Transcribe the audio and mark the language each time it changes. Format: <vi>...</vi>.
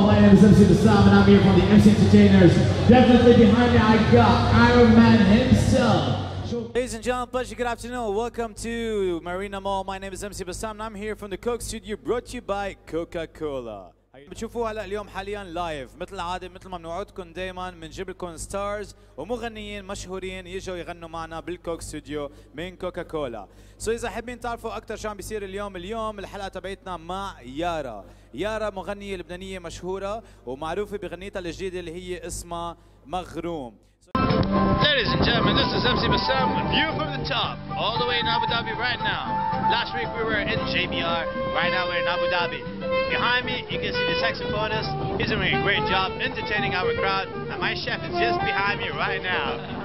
<en>My name is MC Bassam and I'm here from the MC Entertainers. Definitely behind me, I got Iron Man himself. Ladies and gentlemen, pleasure, good afternoon. Welcome to Marina Mall. My name is MC Bassam and I'm here from the Coke Studio brought to you by Coca-Cola.</en> <ar>بتشوفوها هلا اليوم حاليا لايف مثل العاده مثل ما بنوعدكم دائما بنجيب لكم ستارز ومغنيين مشهورين يجوا يغنوا معنا بالكوك ستوديو من كوكا كولا. سو اذا حابين تعرفوا اكثر شو عم بيصير اليوم الحلقه تبعتنا مع يارا. يارا مغنيه لبنانيه مشهوره ومعروفه بغنيتها الجديده اللي هي اسمها مغروم.</ar> <en>Ladies and gentlemen, this is MC Bassam with View from the Top, all the way in Abu Dhabi right now. Last week we were in JBR, right now we're in Abu Dhabi. Behind me, you can see the saxophonist. He's doing a great job entertaining our crowd, and my chef is just behind me right now.</en>